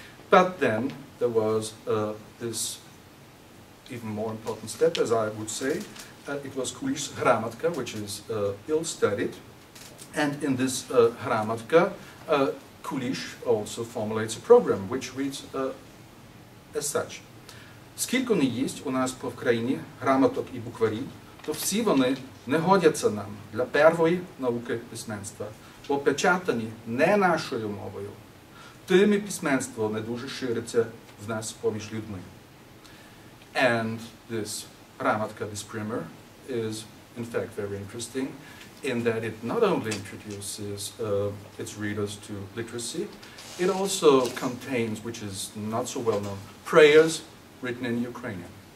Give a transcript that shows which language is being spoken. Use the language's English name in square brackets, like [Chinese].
[English] But then there was this even more important step, as I would say. It was Kulish's Hramatka, which is ill-studied. And in this Hramatka, Kulish also formulates a program, which reads as such. [Ukrainian] Скільки не єсть у нас по Вкраїні грамоток і букварів, то всі вони не годяться нам для первої науки письменства, бо печатані не нашою мовою. Тим і письменство не дуже шириться в нас поміж людьми. [English] And this Hramatka, this primer, is in fact very interesting in that it not only introduces its readers to literacy, it also contains, which is not so well known, prayers written in Ukrainian.